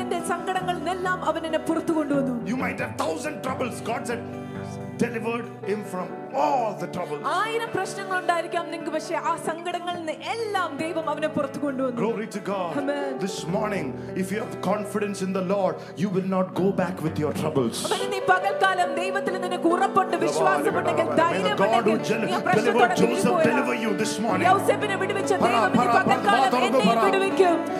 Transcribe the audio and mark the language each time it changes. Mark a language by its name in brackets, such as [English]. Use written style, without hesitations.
[Malayalam] സങ്കടങ്ങളെല്ലാം അവൻ എന്നെ പുറത്തു കൊണ്ടുവന്നു. [English] You might have 1000 troubles, God said, delivered him from all the troubles. [Malayalam] ആയിരം പ്രശ്നങ്ങൾ ഉണ്ടായിരിക്കാം നിങ്ങൾക്ക്, പക്ഷേ ആ സങ്കടങ്ങളിൽ നിന്ന് എല്ലാം ദൈവം അവനെ പുറത്തു കൊണ്ടുവന്നു. [English] Glory to God. Amen. This morning, if you have confidence in the Lord, you will not go back with your troubles. [Malayalam] അവനെ പകൽക്കാലം ദൈവത്തിൽ നിനക്ക് ഉറപ്പുണ്ട്, വിശ്വാസമുണ്ടെങ്കിൽ ധൈര്യമുണ്ടെങ്കിൽ നീ പ്രശ്നത്തോട് തിരിഞ്ഞുപോയാൽ യോസേഫിനെ വിടുവിച്ച ദൈവം നിനക്ക് പകൽക്കാലം എന്നെ വിടുവിക്കും.